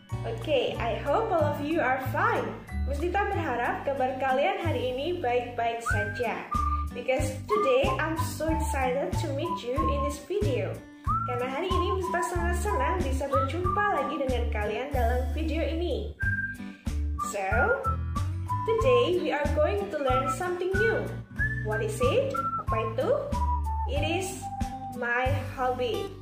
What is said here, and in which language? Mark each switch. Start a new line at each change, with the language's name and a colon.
English: Okay, I hope all of you are fine.
Indonesian: Puspita berharap kabar kalian hari ini baik-baik saja.
English: Because today I'm so excited to meet you in this video.
Indonesian: Karena hari ini Puspita sangat senang bisa berjumpa lagi dengan kalian dalam video ini.
English: So, today we are going to learn something new. What is it?
Indonesian: Apa itu?
English: It is my hobby.